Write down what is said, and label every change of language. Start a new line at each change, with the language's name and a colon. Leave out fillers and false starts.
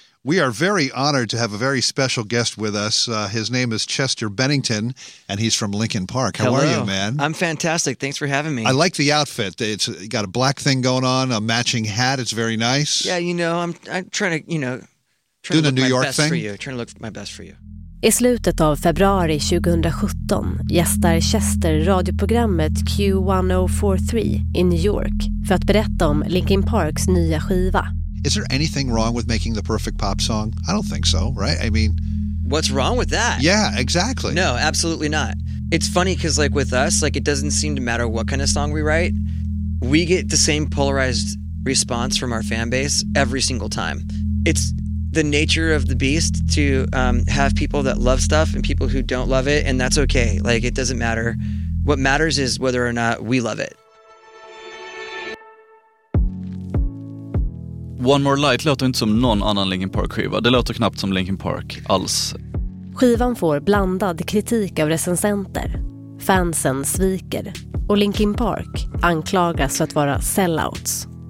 English: We are very honored to have a very special guest with us. His name is Chester Bennington, and he's from Linkin Park. How are you, man? I'm fantastic. Thanks for having me. I like the outfit. It's got a black thing going on, a matching hat. It's very nice. Yeah, you know, I'm trying to, you know, doing the New York thing for you. Trying to look my best for you.
Swedish: I slutet av februari 2017 gästar Chester radioprogrammet Q1043 i New York för att berätta om Linkin Parks nya skiva.
English: Is there anything wrong with making the perfect pop song? I don't think so, right? I mean, what's wrong with that? Yeah, exactly. No, absolutely not. It's funny because, like, with us, like, it doesn't seem to matter what kind of song we write. We get the same polarized response from our fan base every single time. It's the nature of the beast to have people that love stuff and people who don't love it, and that's okay. Like, it doesn't matter. What matters is whether or not we love it.
Swedish: One More Light låter inte som någon annan Linkin Park-skiva. Det låter knappt som Linkin Park alls. Skivan får blandad kritik av recensenter. Fansen sviker. Och Linkin Park anklagas för att vara sellouts.